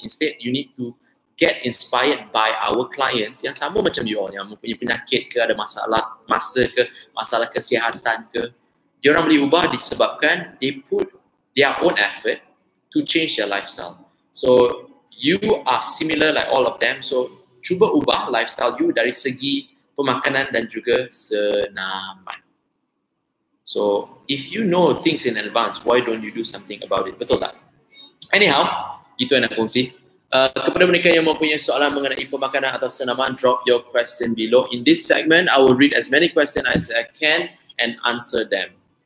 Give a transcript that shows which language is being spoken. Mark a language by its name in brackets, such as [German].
[English] Instead, you need to get inspired by our clients [Malay] yang sama macam you all, yang mempunyai penyakit ke, ada masalah masa ke, masalah kesihatan ke. Dia orang boleh ubah disebabkan [English] they put their own effort to change their lifestyle. So, you are similar like all of them. [Malay] So, cuba ubah lifestyle you dari segi pemakanan dan juga senaman. [English] So, if you know things in advance, why don't you do something about it? [Malay] Betul tak? Anyhow, itu yang nak kongsi. Kepada mereka yang mempunyai soalan mengenai pemakanan atau senaman, [English] drop your question below. In this segment, I will read as many questions as I can and answer them.